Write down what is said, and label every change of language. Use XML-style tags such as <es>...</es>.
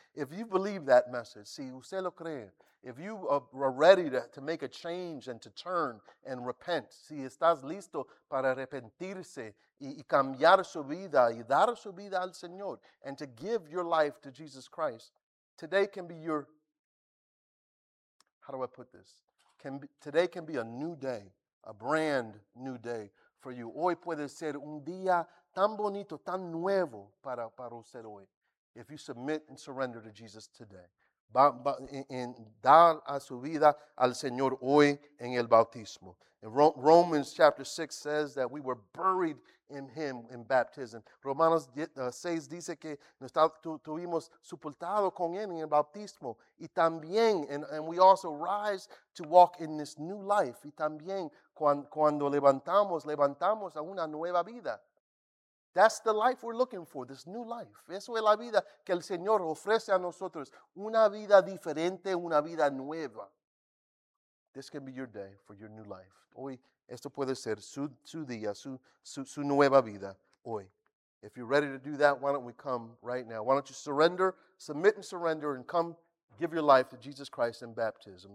<en>If you believe that message,</en> <es>si usted lo cree,</es> <en>if you are ready to make a change and to turn and repent,</en> <es>si estás listo para arrepentirse y cambiar su vida y dar su vida al Señor</es> <en>and to give your life to Jesus Christ, today can be your, how do I put this? Today can be a new day, a brand new day for you.</en> <es>Hoy puede ser un día tan bonito, tan nuevo para usted hoy.</es> <en>If you submit and surrender to Jesus today.</en> <es>En dar a su vida al Señor hoy en el bautismo.</es> <en>And Romans chapter 6 says that we were buried in him in baptism.</en> <es>Romanos 6 dice que nos tuvimos sepultado con él en el bautismo. Y también,</es> <en>and we also rise to walk in this new life.</en> <es>Y también cuando levantamos a una nueva vida.</es> <en>That's the life we're looking for, this new life.</en> <es>Eso es la vida que el Señor ofrece a nosotros. Una vida diferente, una vida nueva.</es> <en>This can be your day for your new life.</en> <es>Hoy, esto puede ser su día, su nueva vida hoy.</es> <en>If you're ready to do that, why don't we come right now? Why don't you surrender, submit and surrender, and come give your life to Jesus Christ in baptism.</en>